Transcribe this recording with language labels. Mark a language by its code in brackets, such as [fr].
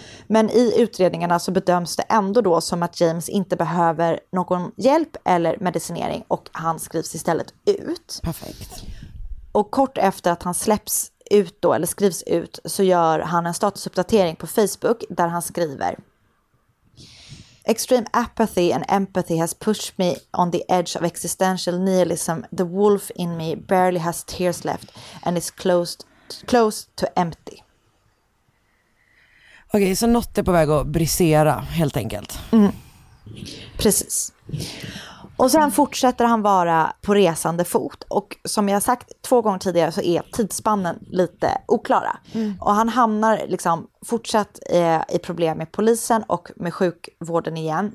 [sv] Men i utredningarna så bedöms det ändå då som att James inte behöver någon hjälp eller medicinering, och han skrivs istället ut. Perfekt. Och kort efter att han släpps ut då, eller skrivs ut, så gör han en statusuppdatering på Facebook där han skriver: [en] "Extreme apathy and empathy has pushed me on the edge of existential nihilism. The wolf in me barely has tears left and is close to empty." [sv] Okej, så något är på väg att brisera helt enkelt. Mm. Precis. Och sen fortsätter han vara på resande fot. Och som jag sagt 2 gånger tidigare så är tidsspannen lite oklara. Mm. Och han hamnar liksom fortsatt i problem med polisen och med sjukvården igen.